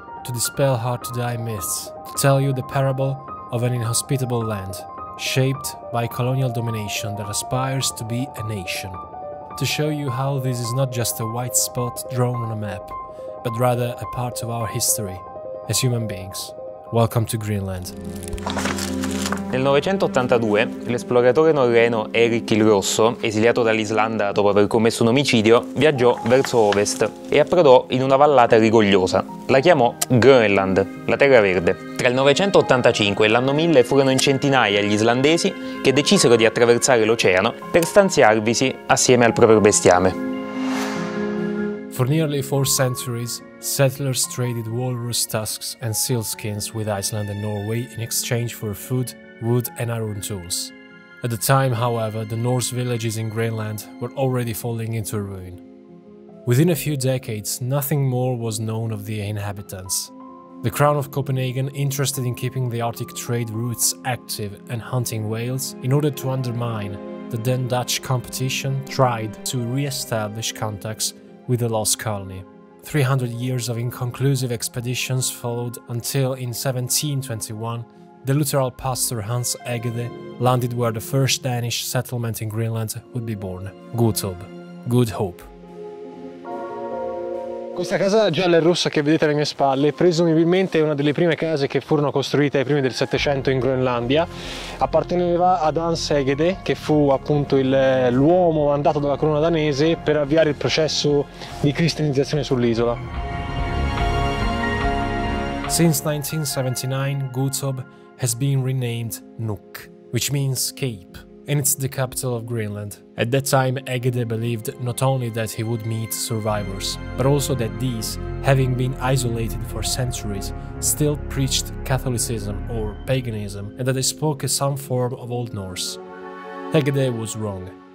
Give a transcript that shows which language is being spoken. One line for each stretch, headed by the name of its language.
English: To dispel hard-to-die myths, to tell you the parable of an inhospitable land, shaped by colonial domination that aspires to be a nation. To show you how this is not just a white spot drawn on a map, but rather a part of our history as human beings. Welcome to Greenland.
Italian: Nel 982, l'esploratore norreno Erik il Rosso, esiliato dall'Islanda dopo aver commesso un omicidio, viaggiò verso ovest e approdò in una vallata rigogliosa. La chiamò Greenland, la Terra Verde. Tra il 985 e l'anno 1000 furono in centinaia gli islandesi che decisero di attraversare l'oceano per stanziarvisi assieme al proprio bestiame.
English: For nearly four centuries, settlers traded walrus tusks and seal skins with Iceland and Norway in exchange for food, wood and iron tools. At the time, however, the Norse villages in Greenland were already falling into ruin. Within a few decades, nothing more was known of the inhabitants. The Crown of Copenhagen, interested in keeping the Arctic trade routes active and hunting whales in order to undermine the then Dutch competition, tried to re-establish contacts with the lost colony. 300 years of inconclusive expeditions followed until in 1721, the Lutheran pastor Hans Egede landed where the first Danish settlement in Greenland would be born, Gutob, Good Hope.
Italian: Questa casa gialla e rossa che vedete alle mie spalle presumibilmente è una delle prime case che furono costruite ai primi del Settecento in Groenlandia. Apparteneva ad Hans Egede, che fu appunto l'uomo mandato dalla corona danese per avviare il processo di cristianizzazione sull'isola.
English: Since 1979, Gutob has been renamed Nuuk, which means cape, and it's the capital of Greenland. At that time, Egede believed not only that he would meet survivors, but also that these, having been isolated for centuries, still preached Catholicism or paganism, and that they spoke some form of Old Norse. Egede was wrong.